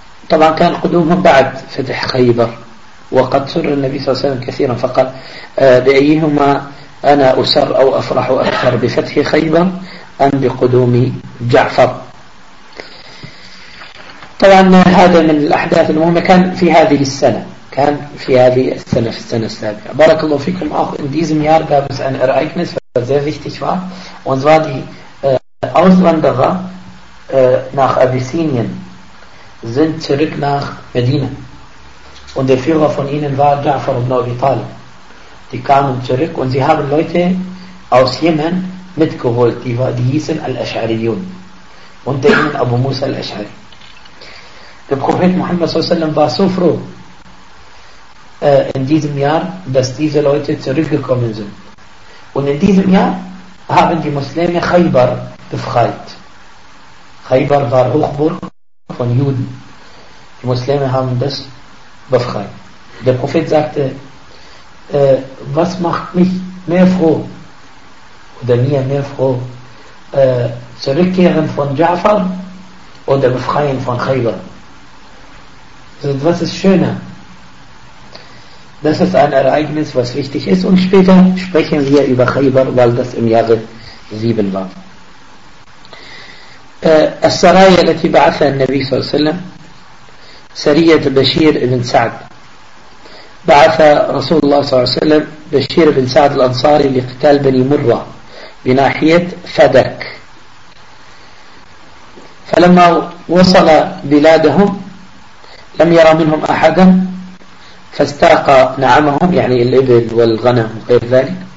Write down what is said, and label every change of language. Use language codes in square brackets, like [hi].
[ar] طبعا كان قدومهم بعد فتح خيبر، وقد سر النبي صلى الله عليه وسلم كثيرا فقال: بأيهما أنا أسر أو أفرح أكثر، بفتح خيبر أم بقدوم جعفر؟ طبعا هذا من الأحداث المهمة كان في هذه السنة، كان في هذه السنة، في السنة السابعة. بارك الله فيكم. [de] أخ إن ديزم يار جابس أن إرأيكنس فزير فيكتش فا ونزوا دي أوزلندغا nach Abyssinien sind zurück nach Medina. Und der Führer von ihnen war Ja'far ibn Abi Talib. Die kamen zurück und sie haben Leute aus Jemen mitgeholt, die hießen Al-Ash'ariyun. Unter ihnen Abu Musa Al-Ash'ari. Der Prophet Muhammad s.a.w. war so froh in diesem Jahr, dass diese Leute zurückgekommen sind. Und in diesem Jahr haben die Muslime Khaybar befreit. Khaybar war Hochburg von Juden. Die Muslime haben das befreit. Der Prophet sagte: Was macht mich mehr froh oder mir mehr froh, zurückkehren von Ja'far oder befreien von Khaybar? Was ist schöner? Das ist ein Ereignis, was wichtig ist, und später sprechen wir über Khaybar, weil das im Jahre 7 war. [ar] السرايا التي بعثها النبي صلى الله عليه وسلم سرية بشير بن سعد. بعث رسول الله صلى الله عليه وسلم بشير بن سعد الأنصاري لقتال بني مرة بناحية فدك، فلما وصل بلادهم لم يرى منهم أحدا، فاستاق نعمهم يعني الإبل والغنم وغير ذلك،